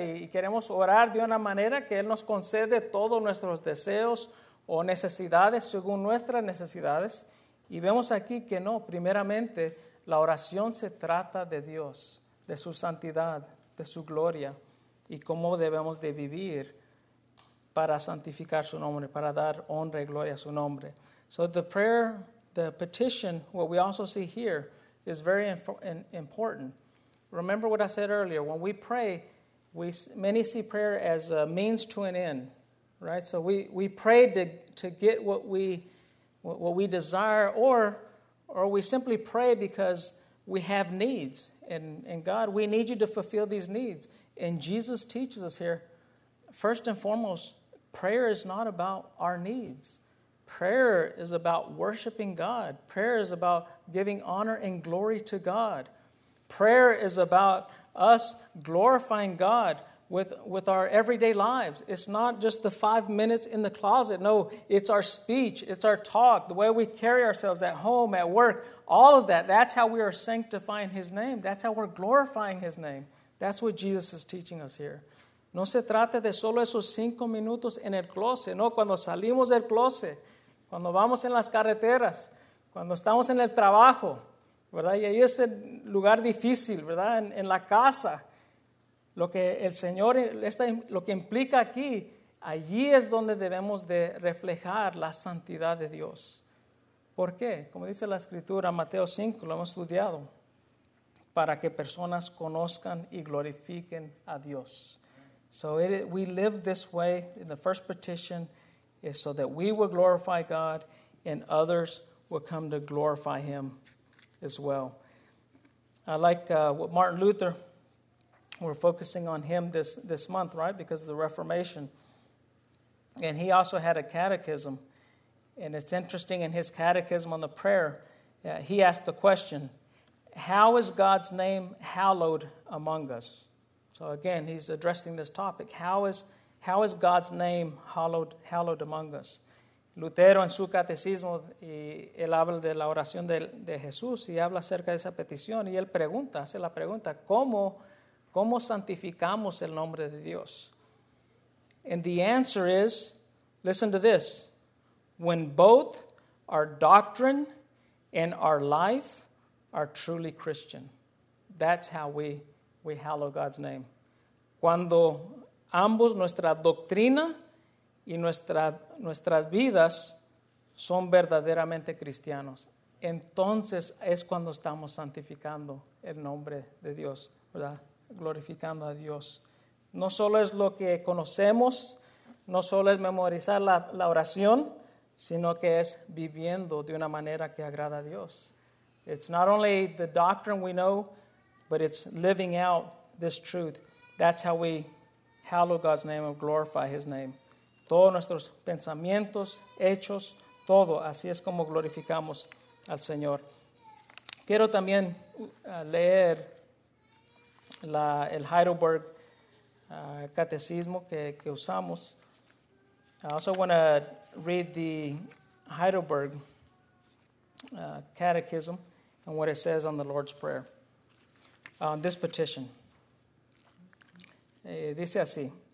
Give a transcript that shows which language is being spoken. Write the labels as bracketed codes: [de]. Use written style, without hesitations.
[es] Y queremos orar de una manera que Él nos concede todos nuestros deseos o necesidades según nuestras necesidades. Y vemos aquí que no, primeramente, la oración se trata de Dios, de su santidad, de su gloria, y cómo debemos de vivir para santificar su nombre, para dar honra y gloria a su nombre. [en] So the prayer, the petition, what we also see here, is very important. Remember what I said earlier, when we pray, many see prayer as a means to an end, right? So we pray to get what we desire, or we simply pray because we have needs. And God, we need you to fulfill these needs. And Jesus teaches us here, first and foremost, prayer is not about our needs. Prayer is about worshiping God. Prayer is about giving honor and glory to God. Prayer is about us glorifying God with our everyday lives. It's not just the 5 minutes in the closet. No, it's our speech. It's our talk, the way we carry ourselves at home, at work, all of that. That's how we are sanctifying his name. That's how we're glorifying his name. That's what Jesus is teaching us here. [es] No se trata de solo esos 5 minutos en el closet. No, cuando salimos del closet, cuando vamos en las carreteras, cuando estamos en el trabajo, ¿verdad? Y ahí es el lugar difícil, ¿verdad? En la casa. Lo que el Señor, lo que implica aquí, allí es donde debemos de reflejar la santidad de Dios. ¿Por qué? Como dice la Escritura, Mateo 5, lo hemos estudiado, para que personas conozcan y glorifiquen a Dios. [en] So we live this way in the first petition, is so that we will glorify God and others will come to glorify him as well. I like what Martin Luther, we're focusing on him this month, right? Because of the Reformation. And he also had a catechism. And it's interesting in his catechism on the prayer, he asked the question, how is God's name hallowed among us? So again, he's addressing this topic. How is God's name hallowed among us? [es] Lutero en su catecismo, y él habla de la oración de Jesús y habla acerca de esa petición. Y él pregunta, hace la pregunta, ¿cómo santificamos el nombre de Dios? [en] And the answer is, listen to this, when both our doctrine and our life are truly Christian. That's how we hallow God's name. [es] Cuando ambos, nuestra doctrina y nuestras vidas son verdaderamente cristianos, entonces es cuando estamos santificando el nombre de Dios, ¿verdad? Glorificando a Dios. No solo es lo que conocemos, no solo es memorizar la oración, sino que es viviendo de una manera que agrada a Dios. [en] It's not only the doctrine we know, but it's living out this truth. That's how we hallow God's name or glorify his name. [es] todos nuestros pensamientos, hechos, todo. Así es como glorificamos al Señor. Quiero también leer el Heidelberg Catecismo que usamos. [en] I also want to read the Heidelberg Catechism and what it says on the Lord's Prayer. This petition. [es] Dice así.